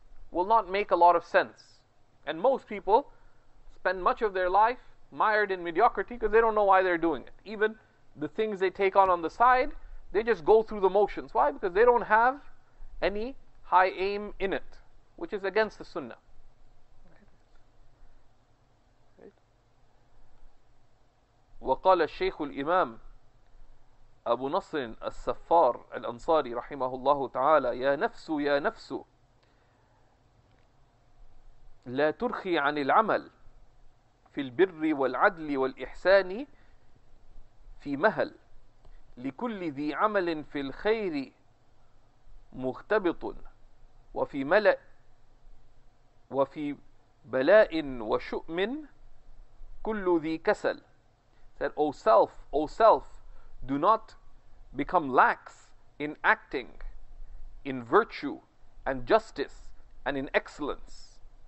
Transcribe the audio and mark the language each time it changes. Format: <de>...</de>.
<en>will not make a lot of sense. And most people spend much of their life mired in mediocrity because they don't know why they're doing it. Even the things they take on the side, they just go through the motions. Why? Because they don't have any high aim in it, which is against the sunnah.</en> <ar>وقال الشيخ الإمام أبو نصر السفار الأنصاري رحمه الله تعالى يا نفس يا نفس لا ترخي عن العمل في البر والعدل والإحسان في مهل لكل ذي عمل في الخير مغتبط وفي ملأ وفي بلاء وشؤم كل ذي كسل.</ar> <en>Said, O self, do not become lax in acting, in virtue and justice and in excellence.</en>